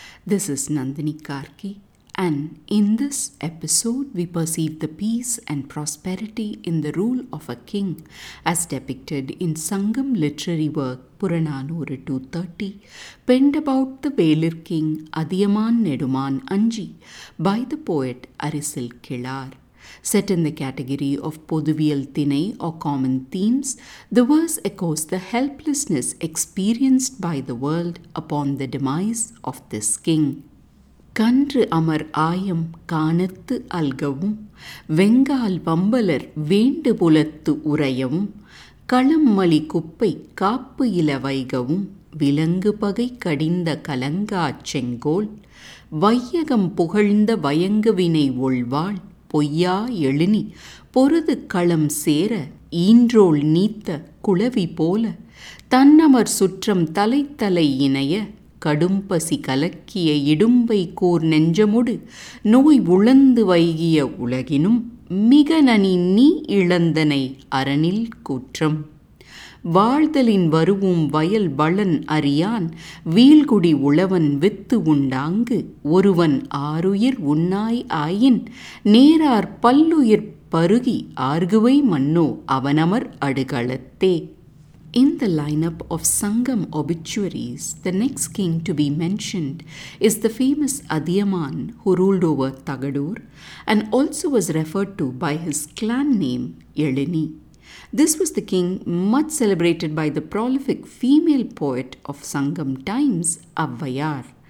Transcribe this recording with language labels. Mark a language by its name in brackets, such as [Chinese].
[English] This is Nandini Karki, and in this episode we perceive the peace and prosperity in the rule of a king as depicted in Sangam literary work Puranaanooru 230, penned about the Velir king Athiyamaan, Nedumaan, Anji by the poet Arisil Kizhaar. Set in the category of Pothuviyal Thinai or common themes, the verse echoes the helplessness experienced by the world upon the demise of this king. [Tamil] Kandru amar ayam kanathu algavum, vengal vambalar vendu pulathu urayavum, kalam mali kuppai kaappu ilavaigavum, vilangu pagai kadinda kalanga chengol, vayyagam pugalnda vayangu vinai ulvaal, பொய்யா எழுனி பொருது களம் சேர ஈன்றோள் நீத்த குளவி போல தன்னமர் சுற்றம் தலைத்தலை இணைய கடும்பசி கலக்கிய இடும்பை கூர் நெஞ்சமுடு நோய் உழந்து வைகிய உலகினும் மிக நனி நீ இழந்தனை அரணில் கூற்றம் வாழ்தலின் வருவும் வயல் வளன் அறியான் வீழ்குடி உழவன் வித்து உண்டாங்கு ஒருவன் ஆறுயிர் உன்னாய் ஆயின் நேரார் பல்லுயிர் பருகி ஆர்குவை மன்னோ அவனமர் அடுகளத்தே. [English] In the lineup of Sangam obituaries, the next king to be mentioned is the famous Athiyamaan, who ruled over Tagadur and also was referred to by his clan name Elini. This was the king much celebrated by the prolific female poet of Sangam times, Avvayar.